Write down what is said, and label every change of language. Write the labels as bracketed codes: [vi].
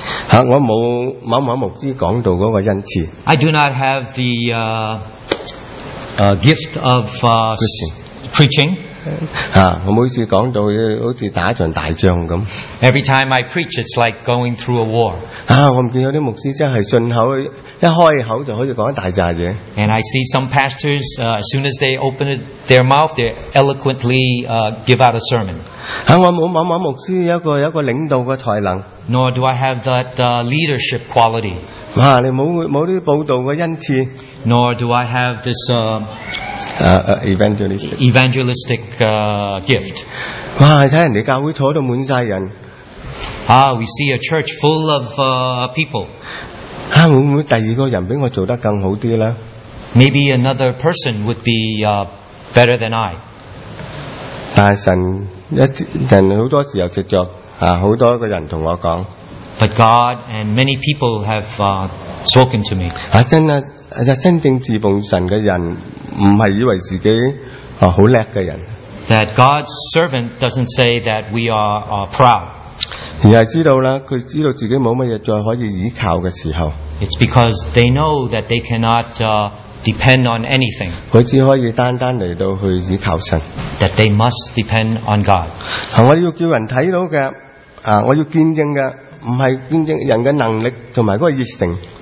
[yue] 我冇某牧师讲道嗰个恩赐 [en] I do not have the gift of preaching. [yue] 我每次讲道好似打一场大仗咁 [en] Every time I preach, it's like going through a war. [yue] 我唔见有啲牧师真系顺口，一开口就可以讲一大扎嘢。 [en] And I see some pastors, as soon as they open their mouth, they eloquently give out a sermon. [yue] 我冇某牧师有一个领导嘅才能。 [en] Nor do I have that leadership quality. [yue] 你冇啲报道嘅恩赐。 [en] Nor do I have this evangelistic gift. [yue] 你睇人哋教会坐到满晒人。 [en] We see a church full of people. [yue] 会唔会第二个人比我做得更好啲咧 [en] ？Maybe another person would be better than I. [yue] 但神人好多时候藉着好多个人同我讲。 [en] But God and many people have spoken to me. [yue] 真正侍奉神嘅人唔系以为自己好叻嘅人。 [en] That God's servant doesn't say that we are proud. [yue] 而是知道啦，佢知道自己冇乜嘢再可以依靠嘅时候。 [en] It's because they know that they cannot depend on anything。 [yue] 佢只可以单单嚟到去依靠神。 [en] That they must depend on God。 [yue] 我要叫人睇到嘅，我要见证嘅，唔系见证人嘅能力同埋嗰个热诚。